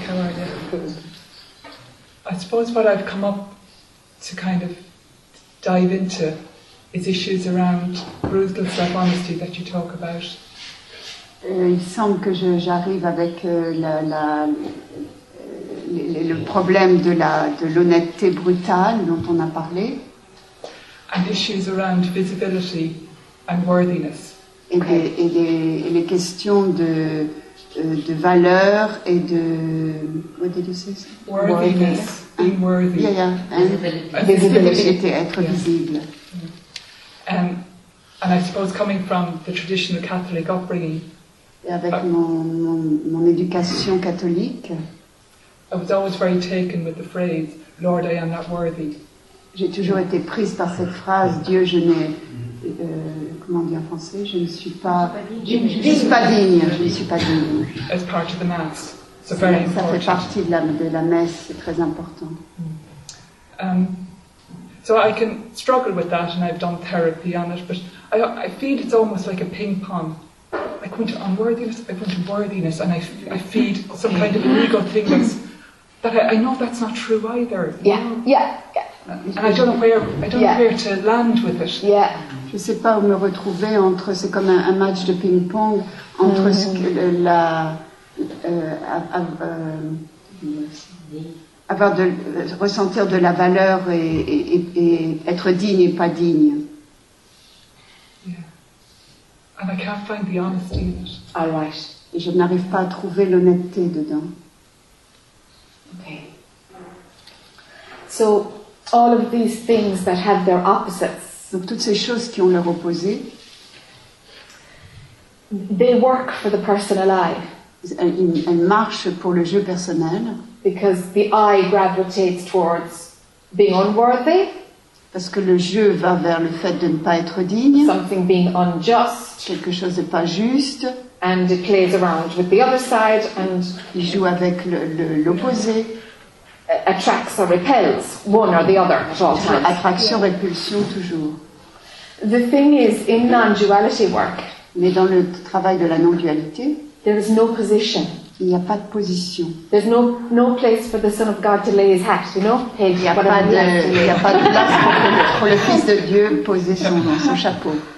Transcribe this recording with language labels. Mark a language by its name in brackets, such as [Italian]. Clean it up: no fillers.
[English] How are you? I suppose what I've come up to kind of dive into is issues around brutal self-honesty that you talk about. [French] Il semble que j'arrive avec le problème de l'honnêteté brutale dont on a parlé. [English] And issues around visibility and worthiness. [French] Et les questions de valeur et de... [English] What did you say? Worthiness. Being worthy. Yeah, yeah. Visibility. [French] Être yes. Visible. [English] Yeah. And I suppose coming from the traditional Catholic upbringing... [French] Et avec mon éducation catholique... [English] I was always very taken with the phrase, Lord, I am not worthy. [French] J'ai toujours été prise par cette phrase, Dieu, je n'ai... comment dire en français, je ne suis pas digne. Je ne suis pas digne. [English] As part of the mass, so very [French] ça [English] important. [French] Fait partie de la messe, c'est très important. [English] So I can struggle with that, and I've done therapy on it, but I feel it's almost like a ping pong. I go into unworthiness, I go into worthiness, and I feed some kind of ego thing that I know that's not true either. Yeah. And I don't know where to land with it. Yeah. [French] Je ne sais pas où me retrouver entre, c'est comme un match de ping-pong, entre ce que avoir de ressentir de la valeur et être digne et pas digne. [English] Yeah. And I can't find the honesty in it. All right. [French] Et je n'arrive pas à trouver l'honnêteté dedans. [English] Okay. So, all of these things that have their opposites. [French] Donc toutes ces choses qui ont leur opposé, [English] they work for the person alive. [French] Elles marchent pour le jeu personnel. [English] Because the I gravitates towards being unworthy. [French] Parce que le jeu va vers le fait de ne pas être digne. [English] Something being unjust. [French] Quelque chose n'est pas juste. [English] And it plays around with the other side. And [French] il joue avec l'opposé. [English] Attracts or repels one or the other at all times. [French] Attraction, répulsion, toujours. [English] The thing is, in non-duality work, [French] mais dans le travail de la non-dualité, [English] there is no position. [French] Il n'y a pas de position. [English] There's no place for the Son of God to lay his hat, you know? [French] Il n'y a pas de place pour le Fils de Dieu poser son chapeau.